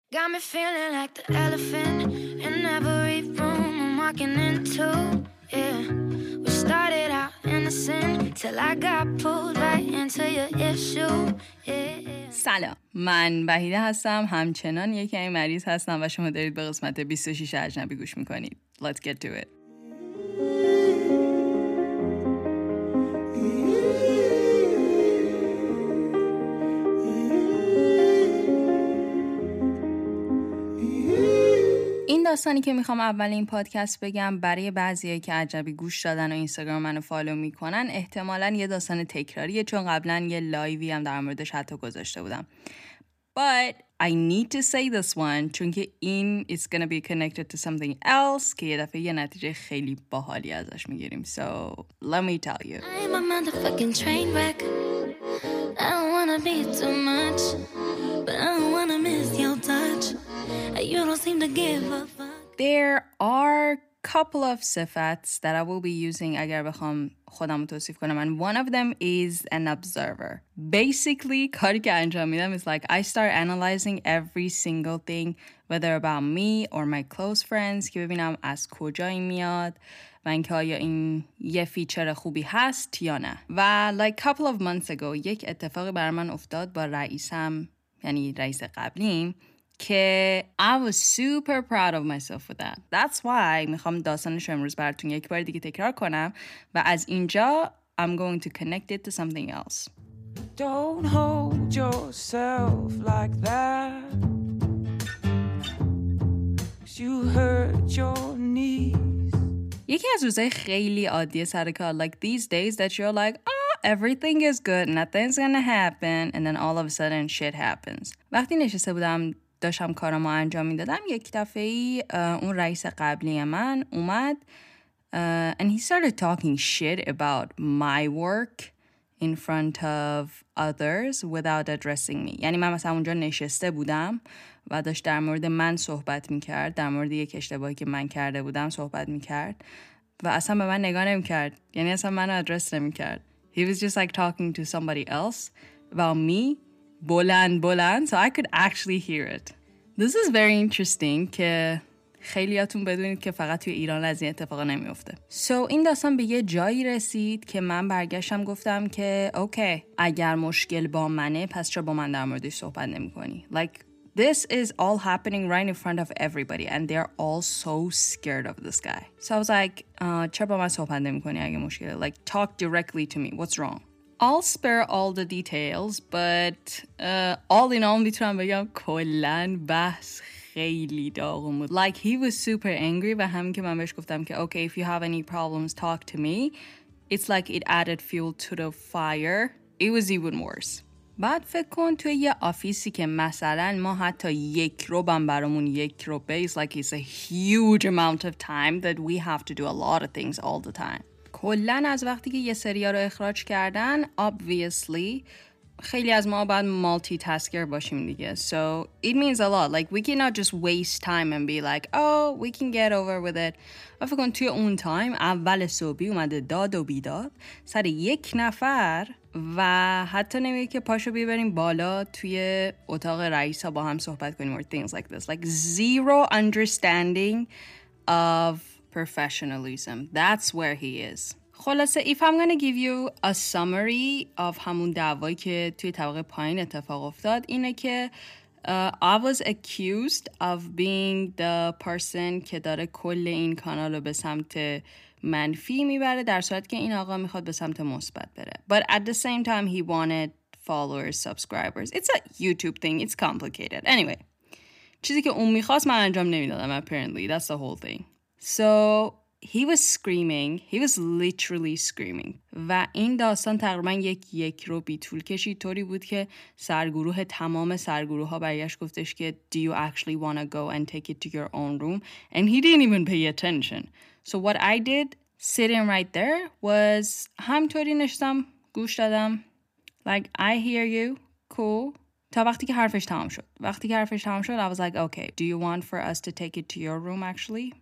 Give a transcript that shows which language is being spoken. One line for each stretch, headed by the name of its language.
English: Got me feeling like the elephant in every room I'm walking into. Yeah, we started out innocent till I got pulled right into your issue.
Persian: سلام، من بهیده هستم، همچنان یکی این مریض هستم و شما دارید به قسمت 26 اجنبی گوش میکنید.
English: Let's get to it.
Persian: این داستانی که میخوام اول این پادکست بگم برای بعضیایی که عجبی گوش دادن و اینستاگرام منو فالو میکنن احتمالاً یه داستان تکراریه، چون قبلاً یه لایوی هم در موردش حتی گذاشته بودم.
English: But I need to say this one
Persian: چون که این
English: is gonna be connected to something else
Persian: که یه دفعه یه نتیجه خیلی باحالی ازش میگیریم.
English: So let me tell you. I'm a motherfucking train wreck. I don't wanna be too much, but I don't wanna miss your touch. You don't seem to give a fuck. There are couple of sifats that I will be using
Persian: اگر بخوام خودم توصیف کنم.
English: And one of them is an observer.
Persian: Basically, کاری که انجام میدم
English: is like I start analyzing every single thing, whether about me or my close friends,
Persian: که ببینم از کجا این میاد و اینکه آیا این یه فیچر خوبی هست یا نه.
English: و like couple of months ago,
Persian: یک اتفاقی بر من افتاد با رئیسم، یعنی رئیس قبلیم، که
English: I was super proud of myself for that. That's why
Persian: میخوام داستانش امروز براتون یک بار دیگه تکرار کنم و از اینجا
English: I'm going to connect it to something else. Don't hold yourself like that. You hurt your knees.
Persian: یکی از روزای خیلی عادیه سر کار.
English: Like these days that you're like, everything is good, nothing's gonna happen, and then all of a sudden shit happens.
Persian: وقتی نشسته بودم داشتم کارامو انجام میدادم، یک دفعه ای اون رئیس قبلی من اومد
English: and he started talking shit about my work in front of others without addressing me.
Persian: یعنی من مثلا اونجا نشسته بودم و داشت در مورد من صحبت میکرد، در مورد یک اشتباهی که من کرده بودم صحبت میکرد و اصلا به من نگاه نمیکرد، یعنی اصلا منو ادرس نمیکرد.
English: He was just like talking to somebody else about me.
Persian: بلند،
English: so I could actually hear it. This is very interesting
Persian: که خیلیاتون بدونید که فقط توی ایران از این اتفاق نمیفته. So این داستان به یه جایی رسید که من برگشتم گفتم که okay, اگر مشکل با منه پس چرا با من در موردش صحبت نمی کنی؟
English: Like this is all happening right in front of everybody and they are all so scared of this guy. So I was like,
Persian: چرا با من صحبت نمی کنی اگر مشکل؟
English: Like talk directly to me, what's wrong? I'll spare all the details, but all in all,
Persian: میتونم بگم کلن بحث خیلی داغم بود.
English: Like, he was super angry,
Persian: و همین که من بهش گفتم که
English: okay, if you have any problems, talk to me. It's like it added fuel to the fire. It was even worse.
Persian: بعد فکر کن توی یه آفیسی که مثلا ما حتی یک روبم برامون یک روبه.
English: It's like it's a huge amount of time that we have to do a lot of things all the time.
Persian: کلن از وقتی که یه سریا رو اخراج کردن obviously خیلی از ما باید مالتی تاسکر باشیم دیگه.
English: So it means a lot. Like we cannot just waste time and be like, oh, we can get over with it.
Persian: و فکر کن توی اون تایم اول صبحی اومده داد و بیداد سر یک نفر و حتی نمیگه که پاشو بیبریم بالا توی اتاق رئیس ها با هم صحبت کنیم
English: or things like this. Like zero understanding of professionalism. That's where he is.
Persian: خلاصه
English: if I'm gonna give you a summary of
Persian: همون دعوایی که توی طبقه پایین اتفاق افتاد اینه که
English: I was accused of being the person
Persian: که داره کل این کانال رو به سمت منفی میبره در صورت که این آقا میخواد به سمت مثبت بره.
English: But at the same time he wanted followers, subscribers. It's a YouTube thing. It's complicated.
Persian: Anyway, چیزی که اون میخواست من انجام نمیدادم apparently.
English: That's the whole thing. So he was screaming, he was literally screaming.
Persian: و این داستان تقریبا یک رو بی طول کشید، طوری بود که سرگروه تمام سرگروه ها برایش گفتش که
English: do you actually want to go and take it to your own room? And he didn't even pay attention. So what I did sitting right there was
Persian: همطوری نشستم گوش دادم.
English: Like I hear you, cool.
Persian: تا وقتی که حرفش تمام شد. وقتی که حرفش تمام شد
English: I was like, okay, do you want for us to take it to your room actually?